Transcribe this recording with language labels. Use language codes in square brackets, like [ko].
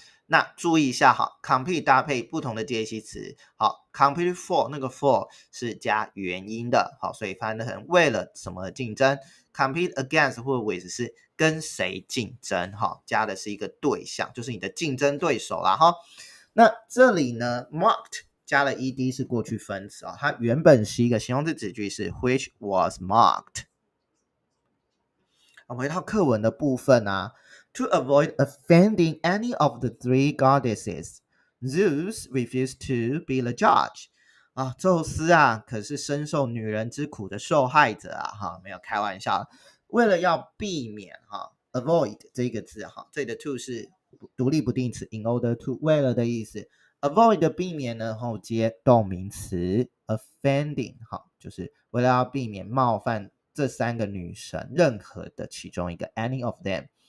[zh] 那注意一下哈， compete 搭配不同的介系词，好， compete for 那个 for 是加元音的，好，所以翻得成为了什么而竞争， compete against 或 with 是跟谁竞争，好，加的是一个对象，就是你的竞争对手啦，好。那这里呢 marked 加了 ed 是过去分词，哦，它原本是一个形容词子句，是 [en] which was marked， [zh] 我们回到课文的部分啊。 [en] To avoid offending any of the three goddesses, Zeus refused to be the judge. [zh] 啊，宙斯啊，可是深受女人之苦的受害者啊，哈，没有开玩笑。为了要避免哈 ，avoid 这个字哈，这个 to 是独立不定词 ， [en] in order to [zh] 为了的意思。 avoid 避免呢，后接动名词 offending 哈，就是为了要避免冒犯这三个女神，任何的其中一个 [en] any of them。